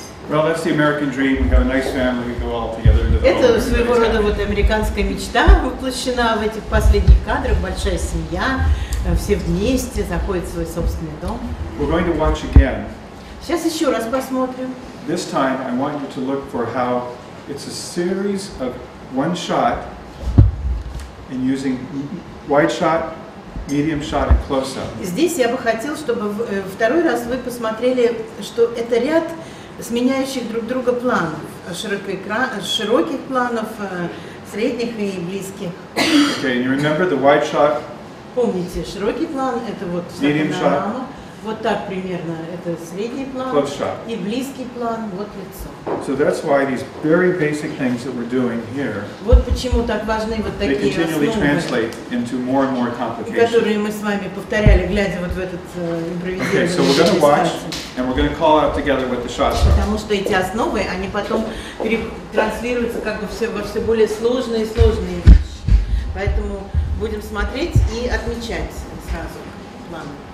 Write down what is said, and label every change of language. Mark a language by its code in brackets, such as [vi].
[en] Well, that's the American dream. We have a nice family. We go all together. [ru] Это своего рода вот американская мечта воплощена в этих последних кадрах. Большая семья, все вместе заходят в свой собственный дом. [en] We're going to watch again. [ru] Сейчас еще раз посмотрим. [en] This time, I want you to look for how it's a series of one shot and using wide shot, medium shot, and close up. [ru] Здесь я бы хотел, чтобы второй раз вы посмотрели, что это ряд сменяющих друг друга планов, широких планов, средних и близких. [en] Okay, and you remember the wide shot? [ru] Помните, широкий план – это вот [en] medium shot. [ru] Вот так примерно, это средний план. [en] Close shot. [ru] И близкий план – вот лицо. [en] So that's why these very basic things that we're doing here. [ru] Вот почему так важны вот такие основы. [en] They continually translate into more and more complications. [ru] Которые мы с вами повторяли, глядя вот в этот импровизированный. [en] Okay, so we're going to watch. And we're going to call out together what the shots are. [ru] Потому что эти основы, они потом транслируются как бы все во все более сложные и сложные вещи. Поэтому будем смотреть и отмечать сразу план.